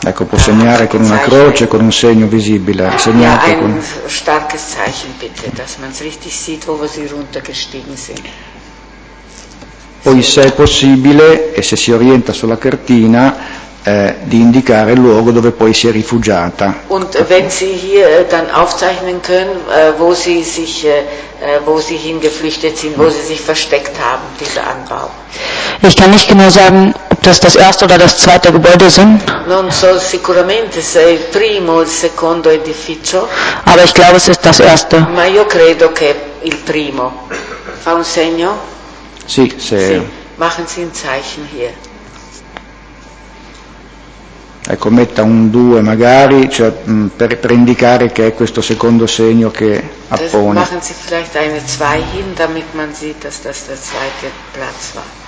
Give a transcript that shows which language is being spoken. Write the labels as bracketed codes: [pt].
[it] Ecco, può segnare con una croce, con un segno visibile. Segnate [de] ja, ein [it] con... [de] starkes Zeichen bitte, dass man es richtig sieht, wo sie runtergestiegen sind. [it] Poi sì. Se è possibile, e se si orienta sulla cartina, di indicare il luogo dove poi si è rifugiata. [de] Und wenn Sie hier dann aufzeichnen können, wo Sie hingeflüchtet sind, wo Sie sich versteckt haben, dieser Anbau. Ich kann nicht genau sagen, ob das das erste oder das zweite Gebäude sind. [it] Non so sicuramente se il primo o il secondo edificio. [de] Aber ich glaube, es ist das erste. [it] Ma io credo che il primo. Fa un segno? Sì, se... sì. [de] Machen Sie ein Zeichen hier. [it] Ecco, metta un 2 magari, cioè per indicare che è questo secondo segno che appone. [de] Das machen Sie vielleicht eine 2 hin, damit man sieht, dass das der zweite Platz war.